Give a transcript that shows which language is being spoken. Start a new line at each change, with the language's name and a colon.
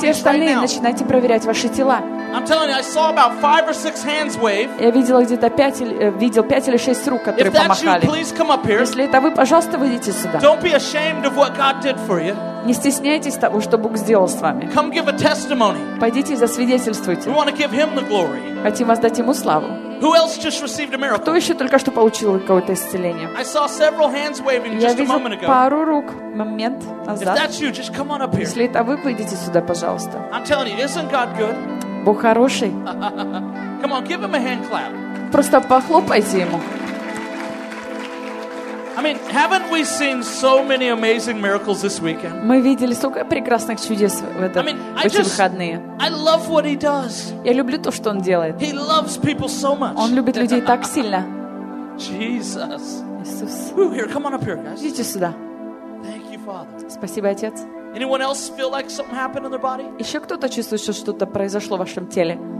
Russian: И все остальные начинайте проверять ваши тела.
English: I'm telling you, I saw about 5 or 6 hands wave.
Russian: Я видела где-то пять или шесть рук, которые помахали.
English: Please come up here.
Russian: Если это вы, пожалуйста, выйдите сюда.
English: Don't be ashamed of what God did for you.
Russian: Не стесняйтесь того, что Бог сделал с вами.
English: Come give a testimony.
Russian: Пойдите и засвидетельствуйте.
English: We want to give Him the glory.
Russian: Хотим воздать Ему славу.
English: Who else just received a miracle?
Russian: Кто еще только что получил какое-то исцеление?
English: I saw several hands waving
Russian: Я
English: just a moment ago.
Russian: Я видел пару рук момент назад.
English: If that's you, just come on up here.
Russian: Если это вы, выйдите сюда, пожалуйста.
English: I'm telling you, isn't God good?
Russian: Бог хороший.
English: Come on, give him a hand clap.
Russian: Просто похлопайте ему.
English: I mean, haven't we seen so many amazing miracles this weekend?
Russian: Мы видели столько прекрасных чудес в эти выходные.
English: I love what he does.
Russian: Я люблю то, что он делает.
English: He loves people so much.
Russian: Он любит людей так сильно.
English: Jesus.
Russian: Иисус.
English: Here, come on up here, guys.
Russian: Идите сюда.
English: Thank you, Father.
Russian: Спасибо, Отец.
English: Anyone else feel like something happened in their body?
Russian: Еще кто-то чувствует, что что-то произошло в вашем теле?